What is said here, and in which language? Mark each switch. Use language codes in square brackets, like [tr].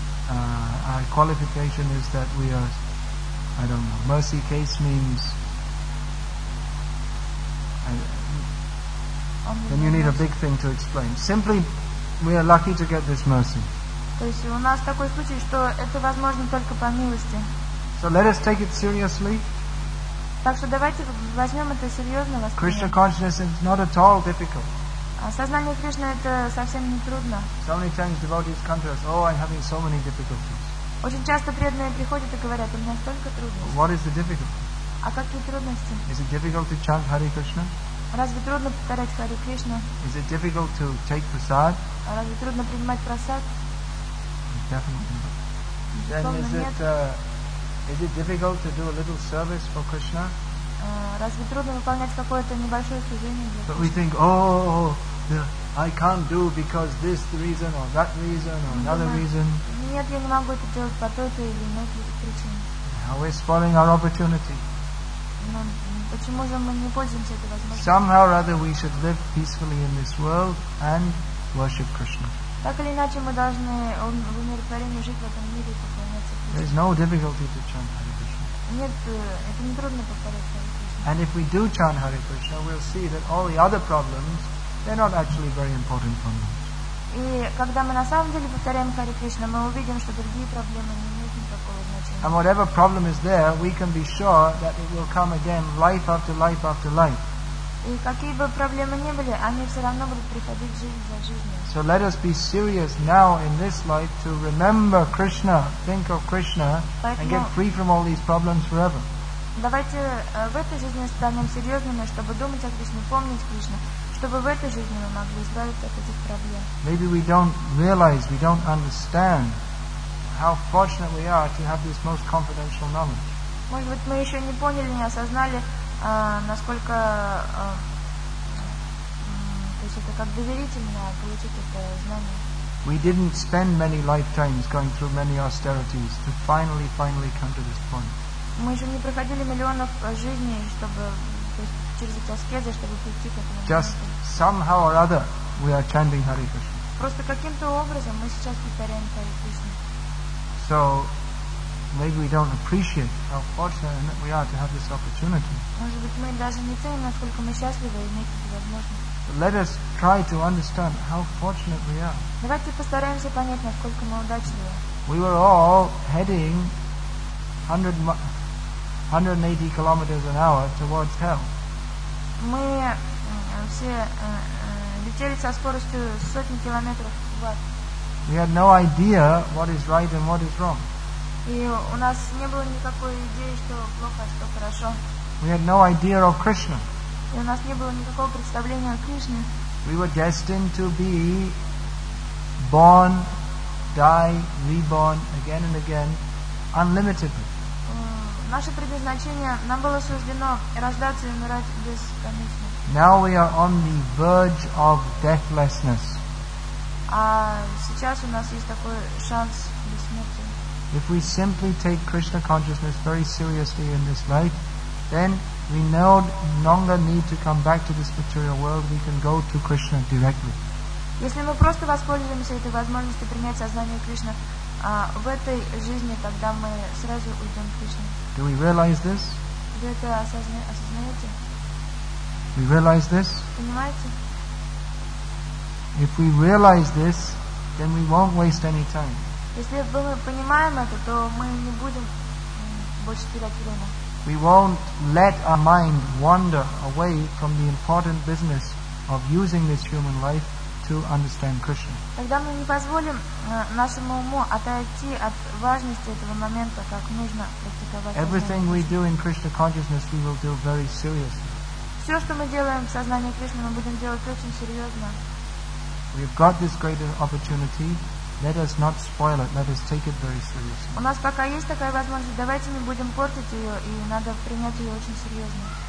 [en] Our qualification is that we are, I don't know. Mercy case means. Then you need a big thing to explain. Simply, we are lucky to get this mercy. [ru] То есть у нас такой случай, что это возможно только по милости. [en] So let us take it seriously. [ru] Так что давайте возьмем это серьезно. [en] Krishna consciousness is not at all difficult. [ru] Осознание Кришны это совсем не трудно. [en] So many times devotees come to us, oh, I'm having so many difficulties. [ru] Очень часто преданные приходят и говорят, у меня столько трудностей. [en] What is the difficulty? [ru] А какие трудности? [en] Is it difficult to chant Hare Krishna? [ru] Разве трудно повторять Хари Кришна? [en] Is it difficult to take prasad? [ru] Разве трудно принимать прасад? [en] Definitely not. Is it difficult to do a little service for Krishna? [ru] Разве трудно выполнять какое-то небольшое служение для Кришны? [en] But we think, oh, I can't do because this reason or that reason or another reason. [ru] Нет, я не могу это делать по той или иной причине. [en] Now we're spoiling our opportunity. [ru] Но почему же мы не пользуемся этой возможностью? [en] Somehow or other we should live peacefully in this world and worship Krishna. [ru] Так или иначе мы должны в умиротворении жить в этом мире и поклоняться. [en] There is no difficulty to chant Hare Krishna. And if we do chant Hare Krishna, we'll see that all the other problems, they're not actually very important problems. [ru] И когда мы на самом деле повторяем Хари Кришна, мы увидим, что другие проблемы не имеют никакого значения. [en] And whatever problem is there, we can be sure that it will come again life after life after life. [ru] И какие бы проблемы ни были, они все равно будут приходить жизнь за жизнью. [en] So let us be serious now in this life to remember Krishna, think of Krishna, and get free from all these problems forever. [ru] Давайте в этой жизни станем серьезными, чтобы думать о Кришне, помнить Кришну, чтобы в этой жизни мы могли избавиться от этих проблем. [en] Maybe we don't realize, we don't understand how fortunate we are to have this most confidential knowledge. [ru] Может быть, мы еще не поняли, не осознали, насколько то есть это как доверительно получить это знание. [en] We didn't spend many lifetimes going through many austerities to finally come to this point. [ru] Мы еще не проходили миллионов жизней, чтобы то есть через эти аскезы, чтобы прийти к этому. [en] Just somehow or other we are chanting Hare Krishna. [ru] Просто каким-то образом мы сейчас повторяем Hare Krishna. [en] So Maybe we don't appreciate how fortunate we are to have this opportunity. But let us try to understand how fortunate we are. [ru] Давайте постараемся понять, насколько мы удачливы. [en] We were all heading 180 kilometers an hour towards hell. [ru] Мы все летели со скоростью сотни километров в ад. [en] We had no idea what is right and what is wrong. [ru] И у нас не было никакой идеи, что плохо, что хорошо. [en] We had no idea of Krishna. [ru] И у нас не было никакого представления о Кришне. [en] We were destined to be born, die, reborn again and again, unlimitedly. [ru] Наше предназначение, нам было суждено рождаться и умирать бесконечно. [en] Now we are on the verge of deathlessness. [ru] А сейчас у нас есть такой шанс бессмертия. [en] If we simply take Krishna consciousness very seriously in this life, then we no longer need to come back to this material world. We can go to Krishna directly. [ru] Если мы просто воспользуемся этой возможностью принять сознание Кришны в этой жизни, тогда мы сразу уйдем к Кришне. [en] Do we realize this? [ru] Вы это осознаете? [en] We realize this? [ru] Понимаете? [en] If we realize this, then we won't waste any time. [ru] Если мы понимаем это, то мы не будем больше терять время. [en] We won't let our mind wander away from the important business of using this human life to understand Krishna. [ru] Тогда мы не позволим нашему уму отойти от важности этого момента, как нужно практиковать. [en] Everything we do in Krishna consciousness, we will do very seriously. [ru] Все, что мы делаем в сознании Кришны, мы будем делать очень серьезно. [en] We've got this great opportunity. Let us not spoil it. Let us take it very seriously. [ru] У нас пока есть такая возможность. Давайте не будем портить ее, и надо принять ее очень серьезно.